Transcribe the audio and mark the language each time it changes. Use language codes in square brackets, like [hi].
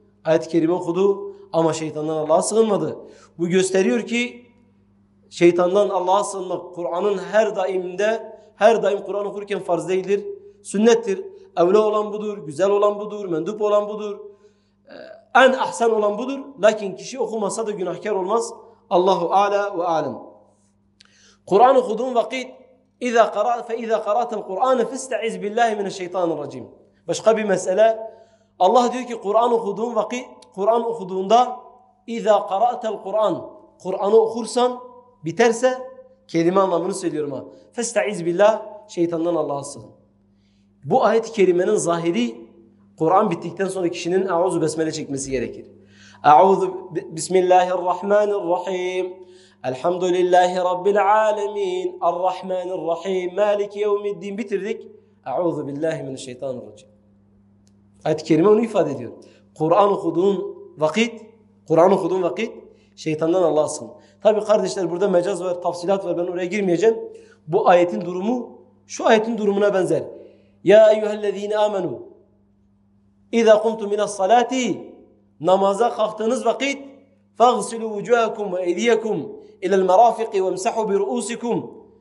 [tr] Ayet-i kerime okudu ama şeytandan Allah'a sığınmadı. Bu gösteriyor ki şeytandan Allah'a sığınmak Kur'an'ın her daimde, her daim Kur'an okurken farz değildir. Sünnettir. Evli olan budur, güzel olan budur, mendup olan budur. En ahsen olan budur. Lakin kişi okumasa da günahkar olmaz. [ar] Allahu a'la ve alem. [tr] Kur'an okuduğun vakit [ar] اِذَا قَرَاتَ الْقُرْآنَ فِاسْتَعِذْ بِاللّٰهِ مِنَ الشَّيْطَانِ الرَّجِيمِ. [tr] Başka bir mesele. Allah diyor ki Kur'an okuduğun vakit, Kur'an okuduğunda [ar] اِذَا قَرَاتَ الْقُرْآنَ, [tr] Kur'an'ı okursan biterse, kelime anlamını söylüyorum ha. [ar] فَاسْتَعِذْ بِاللّٰهِ, [tr] şeytandan Allah'a sığın. Bu ayet-i kerimenin zahiri Kur'an bittikten sonra kişinin [ar] اَعُوذُ [tr] besmele çekmesi gerekir. [ar] اَعُوذُ بِسْمِ اللّٰهِ الرَّحْمَنِ الرَّحِيمِ الحمد لله رب العالمين الرحمن الرحيم مالك يوم الدين [tr] bitirdik. [ar] أعوذ بالله من الشيطان الرجيم. [tr] Ayet-i kerime onu ifade ediyor. Kur'an okuduğun vakit şeytandan Allah'a sığın. Tabi kardeşler burada mecaz var, tafsilat var, ben oraya girmeyeceğim. Bu ayetin durumu şu ayetin durumuna benzer. [ar] Ya eyyühellezine amenu İza kumtu minas salati, [tr] namaza kalktığınız vakit [ar] فَغْسِلُوا وُجُوهَكُمْ وَاَيْدِيَكُمْ اِلَى الْمَرَافِقِ وَمْسَحُوا بِرُؤُوسِكُمْ.